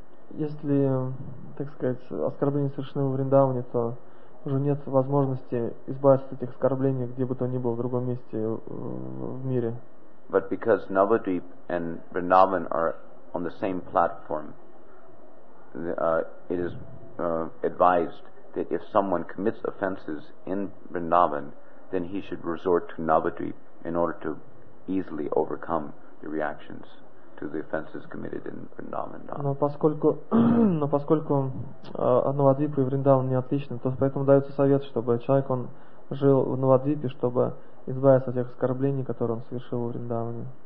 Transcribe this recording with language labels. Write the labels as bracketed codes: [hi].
[ru] Если, так сказать, оскорбления совершены в Вриндаване, то уже нет возможности избавиться от этих оскорблений где бы то ни было в другом месте в мире. [en] But because Navadvip and Vrindavan are on the same platform, it is advised that if someone commits offenses in Vrindavan, then he should resort to Navadvip in order to easily overcome the reactions to the offenses committed in Vrindavan. [ru] Но поскольку Навадвип и Вриндаван не отличны, то поэтому дается совет, чтобы человек он жил в Навадвипе, чтобы избавиться от тех оскорблений, которые он совершил в Вриндаване.